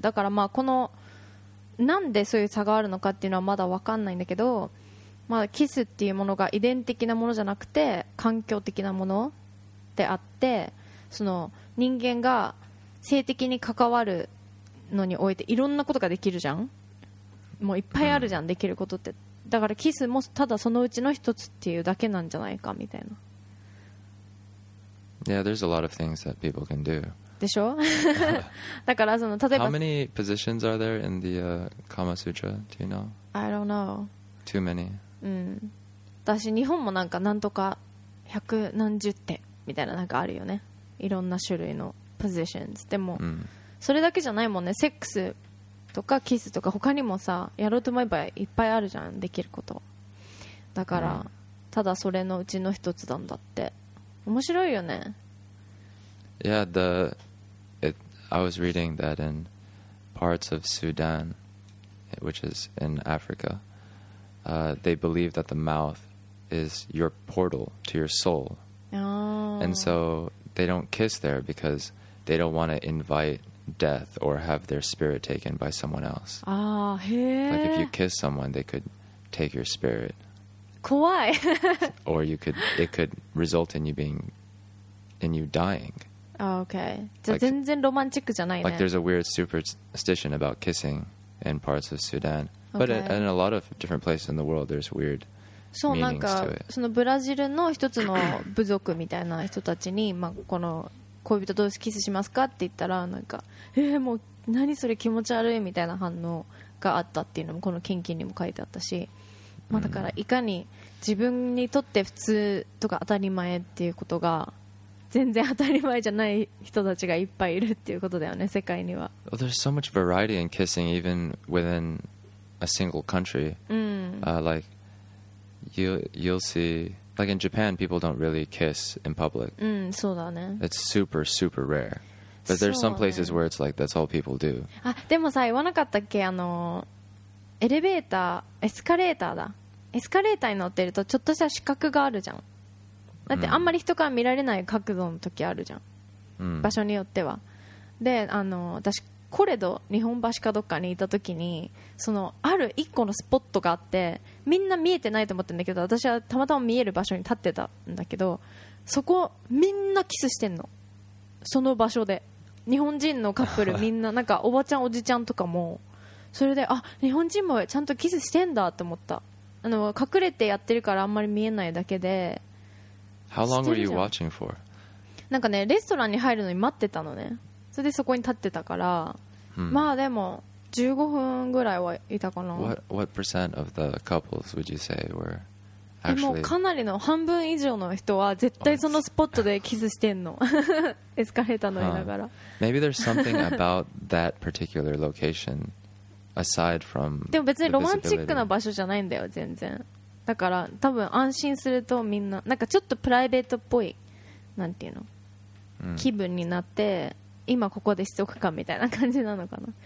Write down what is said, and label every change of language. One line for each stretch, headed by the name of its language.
Japanese: だからまあこのなんでそういう差があるのかっていうのはまだ分かんないんだけど、まあ、キスっていうものが遺伝的なものじゃなくて環境的なものであって、その人間が性的に関わるのにおいていろんなことができるじゃん。もういっぱいあるじゃん、できることって。だからキスもただそのうちの一つっていうだけなんじゃないかみたいな。
English: Yeah, there's a lot of things that people can do.
Japanese: でしょ。だからその例えば
English: How many positions are there in the、Kama Sutra? Do you know? I don't know. Too many. うん。
Japanese: 私日本もなんかなんとか百何十手みたいななんかあるよね。いろんな種類のポジションズ。でも、それだけじゃないもんね。セックスとかキスとか他にもさ、やろうと思えばいっぱいあるじゃん、できること。だから、ただそれのうちの一つなんだって。面白いよね。
English: Yeah, the it, I was reading that in parts of Sudan, which is in Africa, they believe that the mouth is your portal to your soul. And so they don't kiss there because they don't want to invite death or have their spirit taken by someone else. Ah, へえ。 Like if you kiss someone, they could take your spirit.
Japanese: 怖い。
English: Or you could, it could result in you being, in you dying. Ah, okay.
Japanese: じゃあ全然ロマンチックじゃないね。
English: Like there's a weird superstition about kissing in parts of Sudan. Okay. But in a lot of different places in the world, there's weird...
Japanese: そう、なんかそのブラジルの一つの部族みたいな人たちに、まあ、この恋人同士キスしますかって言ったら、なんか、もう何それ気持ち悪いみたいな反応があったっていうのもこの研究にも書いてあったし、まあ、だからいかに自分にとって普通とか当たり前っていうことが全然当たり前じゃない人たちがいっぱいいるっていうことだよね、世界には。
English: Well, there's so much variety in kissing even within a single country、likeYou'll see, like in Japan, people don't really kiss in public.
Japanese: そうだね。
English: It's super, super rare. But there's some places where it's like, that's all people do.
Japanese: あ、でもさ、言わなかったっけ、あの、エレベーター、エスカレーターだ。エスカレーターに乗ってると、ちょっとした死角があるじゃん。だって、あんまり人から見られない角度の時あるじゃん。場所によっては。で、あの、私、コレド、日本橋かどっかにいた時に、その、ある一個のスポットがあって、みんな見えてないと思ってるんだけど、私はたまたま見える場所に立ってたんだけど、そこみんなキスしてんの、その場所で。日本人のカップルみんな、なんかおばちゃんおじちゃんとかも、それで、あ、日本人もちゃんとキスしてんだって思った。あの、隠れてやってるからあんまり見えないだけで。
English: How long were you watching for?
Japanese: なんかね、レストランに入るのに待ってたのね。それでそこに立ってたから、まあでも15分ぐらいはいたかな。
English: What percent of the couples would you say were actually...
Japanese: もうかなりの半分以上の人は絶対そのスポットでキスしてんの。エスカレーター乗りながら。
English: Maybe there's something about that particular location aside from
Japanese: でも別にロマンチックな場所じゃないんだよ、全然。だから多分安心するとみんな、なんかちょっとプライベートっぽい、なんていうの、気分になって今ここでしとくかみたいな感じなのかな。